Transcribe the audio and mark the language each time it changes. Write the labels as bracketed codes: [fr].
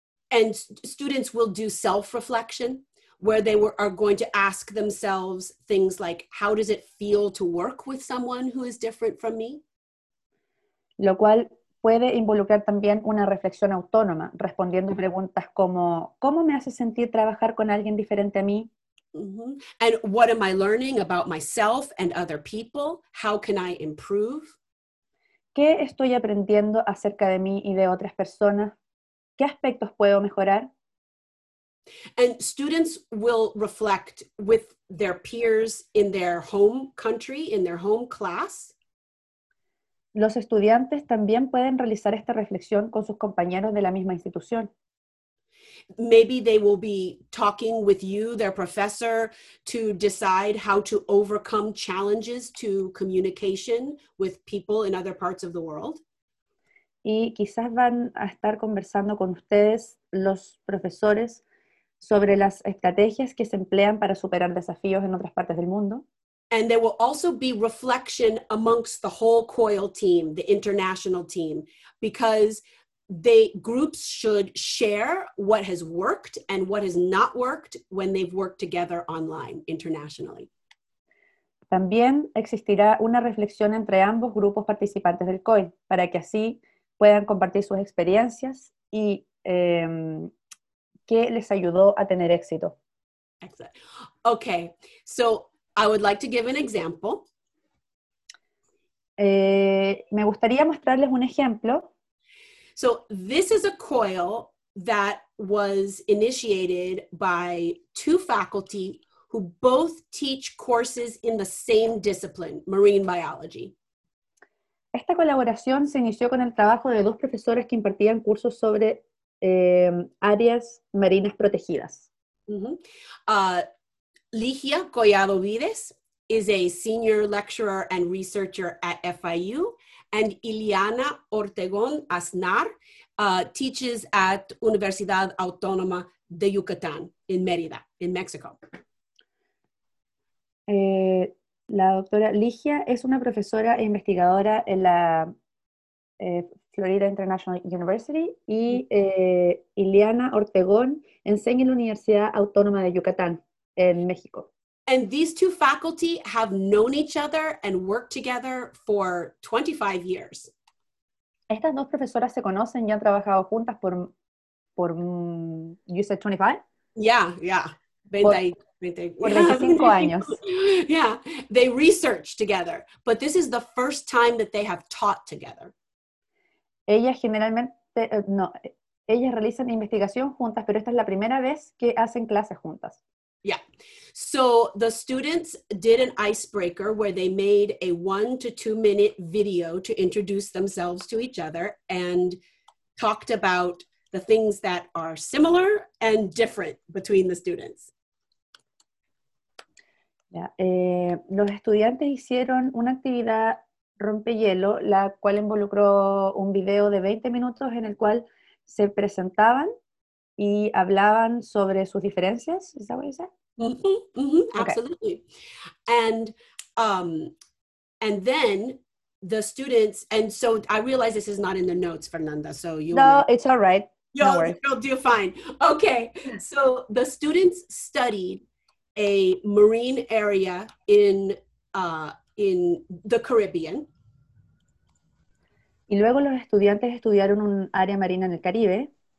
[en] And students will do self-reflection, where they were, are going to ask themselves things like, how does it feel to work with someone who is different from me? [es] Lo cual puede involucrar también una reflexión autónoma, respondiendo preguntas como, ¿cómo me hace sentir trabajar con alguien diferente a mí? Mm-hmm. [en] And what am I learning about myself and other people? How can I improve? [es] ¿Qué estoy aprendiendo acerca de mí y de otras personas? ¿Qué aspectos puedo mejorar? [en] And students will reflect with their peers in their home country, in their home class. [es] Los estudiantes también pueden realizar esta reflexión con sus compañeros de la misma institución. [en] Maybe they will be talking with you, their professor, to decide how to overcome challenges to communication with people in other parts of the world. [es] Y quizás van a estar conversando con ustedes, los profesores, sobre las estrategias que se emplean para superar desafíos en otras partes del mundo. [en] And there will also be reflection amongst the whole COIL team, the international team, because they groups should share what has worked and what has not worked when they've worked together online, internationally. [es] También existirá una reflexión entre ambos grupos participantes del COIL para que así puedan compartir sus experiencias y qué les ayudó a tener éxito. [en] Excellent. Okay, so I would like to give an example. [es] Me gustaría mostrarles un ejemplo. [en] So this is a COIL that was initiated by two faculty who both teach courses in the same discipline, marine biology. [es] Esta colaboración se inició con el trabajo de dos profesores que impartían cursos sobre áreas marinas protegidas. [en] Mm-hmm. Ligia Collado Vides is a senior lecturer and researcher at FIU, and Ileana Ortegón Aznar teaches at Universidad Autónoma de Yucatán in Mérida, in Mexico. [es] La doctora Ligia es una profesora e investigadora en la Florida International University y Ileana Ortegón enseña en la Universidad Autónoma de Yucatán, en México. [en] And these two faculty have known each other and worked together for 25 years. [es] Estas dos profesoras se conocen y han trabajado juntas por [en] you said 25? Yeah, yeah. [es] 25 años. [en] Yeah, they research together, but this is the first time that they have taught together. [es] Ellas generalmente, no, ellas realizan investigación juntas, pero esta es la primera vez que hacen clases juntas. [en] Yeah, so the students did an icebreaker where they made a 1 to 2 minute video to introduce themselves to each other and talked about the things that are similar and different between the students. Yeah. [es] Los estudiantes hicieron una actividad rompehielo, la cual involucró un video de 20 minutos en el cual se presentaban y hablaban sobre sus diferencias. [en] Is that what you said? Mm-hmm, mm-hmm, okay. Absolutely. And then the students, and so I realize this is not in the notes, Fernanda, so you... No, it's all right. You'll do fine. Okay, so the students studied a marine area in the Caribbean. [es] Y luego los estudiantes estudiaron un área marina en el Caribe.